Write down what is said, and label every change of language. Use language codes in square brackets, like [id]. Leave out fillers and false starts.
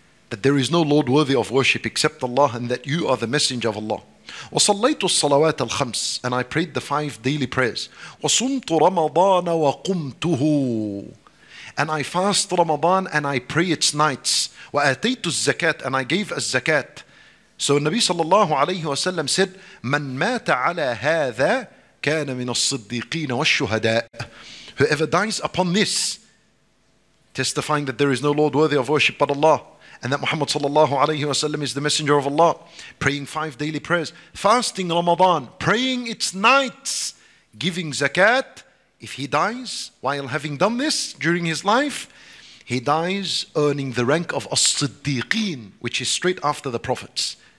[en] that there is no Lord worthy of worship except Allah, and that you are the messenger of Allah. [ar] وصليت الصلوات الخمس, [en] and I prayed the five daily prayers. [ar] وصمت رمضان وقمته, [en] and I fast Ramadan and I pray its nights. [ar] وآتيت الزكاة, [en] and I gave a zakat. So Nabi sallallahu alayhi wa sallam said, [ar] من مات على هذا كان من الصديقين والشهداء. [en] Whoever dies upon this, testifying that there is no Lord worthy of worship but Allah, and that Muhammad sallallahu alayhi wa sallam is the messenger of Allah, praying five daily prayers, fasting Ramadan, praying its nights, giving zakat, if he dies while having done this during his life, he dies earning the rank of as-siddiqeen, which is straight after the prophets.